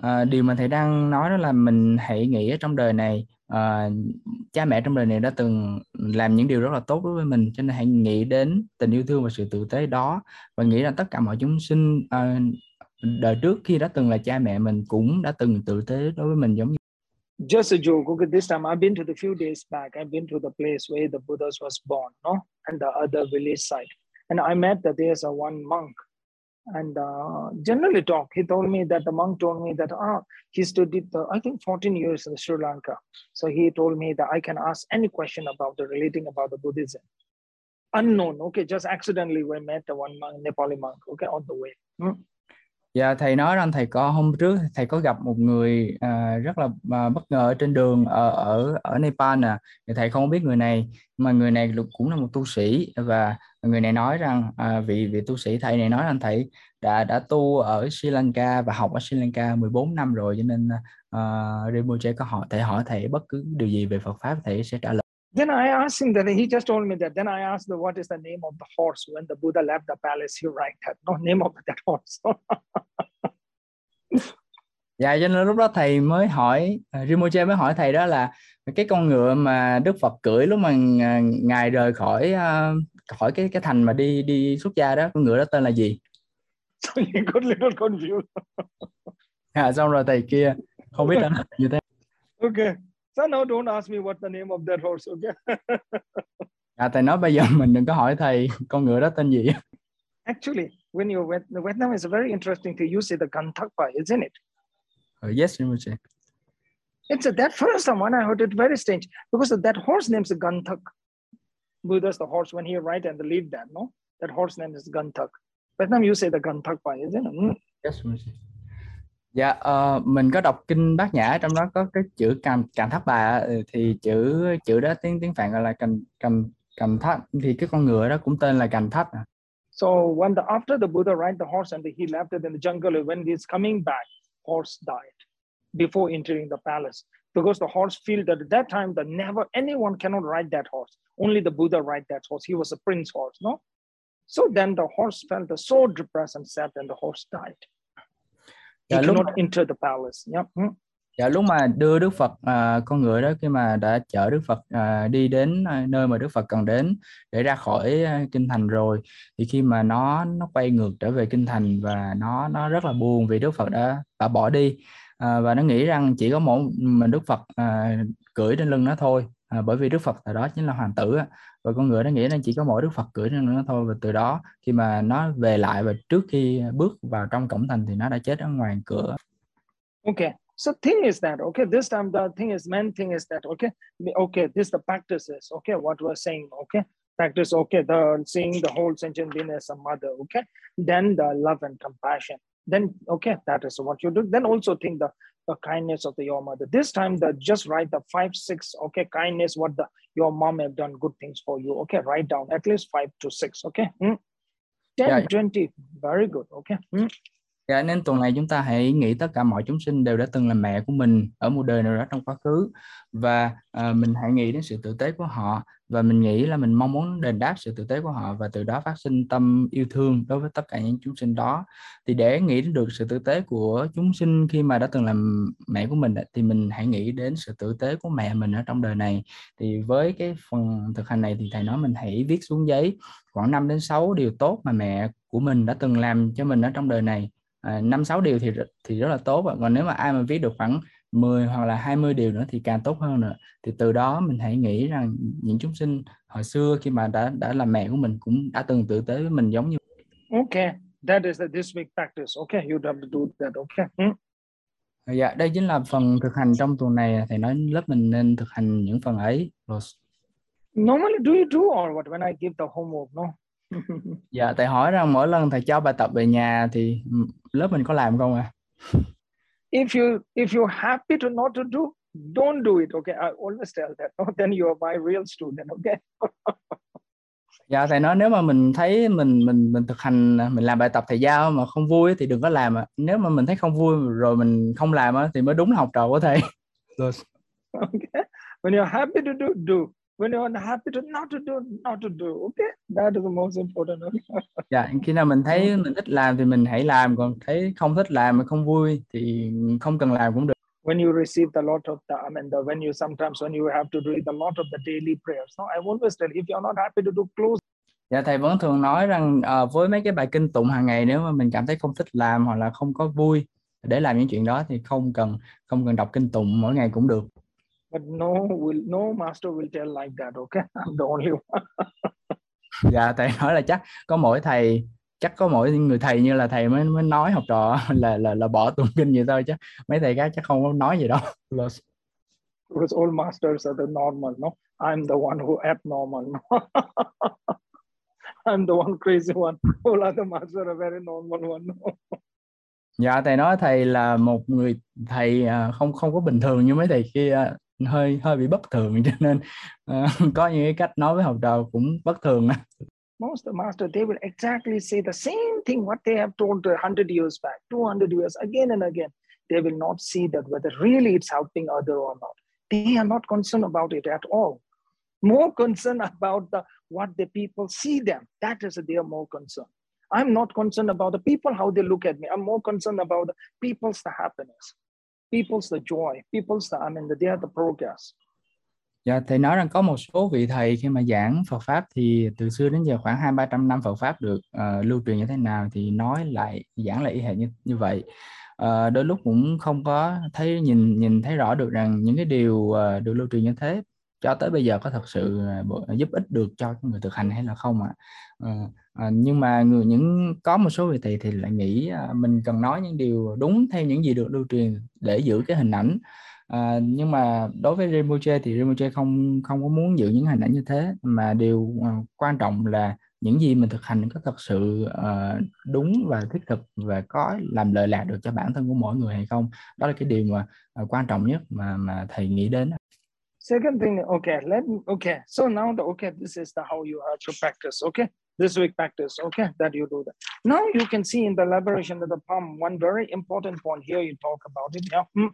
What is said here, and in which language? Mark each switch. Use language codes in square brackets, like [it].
[vi] Điều mà thầy đang nói đó là mình hãy nghĩ ở trong đời này cha mẹ trong đời này đã từng làm những điều rất là tốt đối với mình, cho nên hãy nghĩ đến tình yêu thương và sự tử tế đó, và nghĩ rằng tất cả mọi chúng sinh đời trước khi đã từng là cha mẹ mình cũng đã từng tử tế đối với mình giống như. [en] Just a joke. Okay, this time I've been to the few days back. I've been to the place where the Buddha's was born, no, and the other village site. And I met that there's a one monk, and generally talk. He told me that the monk told me that he studied the I think 14 years in Sri Lanka. So he told me that I can ask any question about the relating about the Buddhism. Unknown. Okay, just accidentally we met the one monk, Nepali monk. Okay, on the way. [vi] Dạ, thầy nói rằng thầy có hôm trước thầy có gặp một người rất là bất ngờ ở trên đường ở Nepal à. Thầy không biết người này, mà người này cũng là một tu sĩ, và người này nói rằng vị vị tu sĩ thầy này nói rằng thầy đã tu ở Sri Lanka và học ở Sri Lanka 14 năm rồi, cho nên Rinpoche có hỏi thầy hỏi thầy bất cứ điều gì về Phật pháp thầy sẽ trả lời. [en] Then I asked him that he just told me that. Then I asked the what is the name of the horse when the Buddha left the palace, he ride that. No name of that horse. [vi] Dạ, cho nên lúc đó thầy mới hỏi, Rinpoche mới hỏi thầy đó là cái con ngựa mà Đức Phật cưỡi lúc mà ngài rời khỏi khỏi cái thành mà đi đi xuất gia đó, con ngựa đó tên là gì? [en] So he got a little confused. [vi] À, xong rồi thầy kia không biết là như thế. [en] Okay. So now don't ask me what the name of that horse, okay? [vi] À, thầy nói bây giờ mình đừng có hỏi thầy con ngựa đó tên gì. [en] Actually, when you went the Vietnam is very interesting to you see the Gandhakpa, isn't it? Yes, It's a, that first time when I heard it very strange because of that horse name is Gandhak. Buddha's the horse when he ride and leave that, no? That horse name is Gandhak. Vietnam you say the Gandhakpa, isn't it? [vi] Yes, dạ, mình có đọc kinh Bát Nhã, trong đó có cái chữ càn càn thất bà, thì chữ chữ đó tiếng tiếng Phạn gọi là càn càn càn thất, thì cái con ngựa đó cũng tên là càn thất. [en] So when the after the Buddha ride the horse and he left it in the jungle, when he's coming back, horse died. before entering the palace, because the horse field at that time, that never anyone cannot ride that horse. Only the Buddha ride that horse. He was a prince horse, no? So then the horse felt so depressed and sad, and the horse died. He cannot enter the palace. Yeah. [vi] Dạ, lúc mà đưa Đức Phật, con ngựa đó, khi mà đã chở Đức Phật đi đến nơi mà Đức Phật cần đến để ra khỏi kinh thành rồi, thì khi mà nó quay ngược trở về kinh thành và nó rất là buồn vì Đức Phật đã bỏ đi, và nó nghĩ rằng chỉ có một mình Đức Phật cưỡi trên lưng nó thôi, bởi vì Đức Phật thời đó chính là hoàng tử, và con ngựa nó nghĩ rằng chỉ có mỗi Đức Phật cưỡi trên lưng nó thôi. Và từ đó khi mà nó về lại và trước khi bước vào trong cổng thành thì nó đã chết ở ngoài cửa. [en] Okay. So thing is that, okay, this time the thing is, main thing is that, okay, this the practices, okay, what we're saying, okay, practice, okay, the seeing the whole sentient being as a mother, okay, then the love and compassion, then, okay, that is what you do, then also think the kindness of your mother, this time the just write the 5-6, okay, kindness, what the your mom have done good things for you, okay, write down at least 5-6, okay, 10-20, very good, okay. [vi] Dạ, nên tuần này chúng ta hãy nghĩ tất cả mọi chúng sinh đều đã từng là mẹ của mình ở một đời nào đó trong quá khứ, và mình hãy nghĩ đến sự tử tế của họ, và mình nghĩ là mình mong muốn đền đáp sự tử tế của họ, và từ đó phát sinh tâm yêu thương đối với tất cả những chúng sinh đó. Thì để nghĩ đến được sự tử tế của chúng sinh khi mà đã từng là mẹ của mình, thì mình hãy nghĩ đến sự tử tế của mẹ mình ở trong đời này. Thì với cái phần thực hành này thì thầy nói mình hãy viết xuống giấy khoảng 5 đến 6 điều tốt mà mẹ của mình đã từng làm cho mình ở trong đời này. 5-6 điều thì rất là tốt, và còn nếu mà ai mà viết được khoảng 10 hoặc là 20 điều nữa thì càng tốt hơn nữa. Thì từ đó mình hãy nghĩ rằng những chúng sinh hồi xưa khi mà đã là mẹ của mình cũng đã từng tử tế với mình giống như. [en] Okay, that is the this week practice. Okay, you have to do that. Okay. [vi] Dạ, yeah, đây chính là phần thực hành trong tuần này. Thầy nói lớp mình nên thực hành những phần ấy. [en] Normally, do you do or what when I give the homework? No. [vi] Dạ, thầy hỏi rằng mỗi lần thầy cho bài tập về nhà thì lớp mình có làm không ạ? [en] If you happy to not to do, don't do it, okay? I always tell that. Oh, then you are my real student, okay? [vi] Dạ, thầy nói nếu mà mình thấy mình thực hành, mình làm bài tập thầy giao mà không vui thì đừng có làm ạ. Nếu mà mình thấy không vui rồi mình không làm thì mới đúng là học trò của thầy. [en] Okay. When you're happy to do, do. When you're unhappy to not to do, not to do, okay? That is the most important. [vi] Yeah, khi nào mình thấy mình thích làm thì mình hãy làm, còn thấy không thích làm mà không vui thì không cần làm cũng được. [en] When you receive the lot of the, I mean, the, when you sometimes when you have to read the lot of the daily prayers, no, I always tell if you're not happy to do, close. [vi] Dạ, thầy vẫn thường nói rằng với mấy cái bài kinh tụng hàng ngày, nếu mà mình cảm thấy không thích làm hoặc là không có vui để làm những chuyện đó thì không cần đọc kinh tụng mỗi ngày cũng được. [en] But no, no master will tell like that, okay? I'm the only one. [vi] Dạ, thầy nói là chắc có mỗi người thầy như là thầy mới nói học trò là bỏ tụng kinh vậy thôi, chứ mấy thầy khác chắc không có nói gì đâu. [en] Because all masters are the normal, no? I'm the one who abnormal. I'm the one crazy one. All other masters are very normal one. [vi] Dạ, thầy nói thầy là một người thầy không có bình thường như mấy thầy kia. Hơi bị bất thường, cho nên có những cái cách nói với học trò cũng bất thường. [en] Most of the master, they will exactly say the same thing what they have told 100 years back, 200 years, again and again. They will not see that whether really it's helping other or not. They are not concerned about it at all. More concerned about the what the people see them. That is their more concern. I'm not concerned about the people, how they look at me. I'm more concerned about the people's the happiness. People's the joy, people's the, I mean, they are the progress. [vi] Dạ, thầy nói rằng có một số vị thầy khi mà giảng Phật Pháp thì từ xưa đến giờ khoảng 200-300 năm Phật Pháp được lưu truyền như thế nào thì nói lại, giảng lại y hệt như vậy. Đôi lúc cũng không có thấy nhìn thấy rõ được rằng những cái điều được lưu truyền như thế cho tới bây giờ có thật sự giúp ích được cho người thực hành hay là không ạ. Nhưng mà có một số vị thầy thì lại nghĩ mình cần nói những điều đúng theo những gì được lưu truyền để giữ cái hình ảnh. Nhưng mà đối với Rinpoche thì Rinpoche không có muốn giữ những hình ảnh như thế, mà điều quan trọng là những gì mình thực hành có thật sự đúng và thiết thực và có làm lợi lạc được cho bản thân của mỗi người hay không. Đó là cái điều mà quan trọng nhất mà thầy nghĩ đến. [en] Second thing, okay, so now this is the how you have to practice, okay? This week practice, okay, that you do that. Now you can see in the elaboration of the palm, one very important point here, you talk about it, yeah?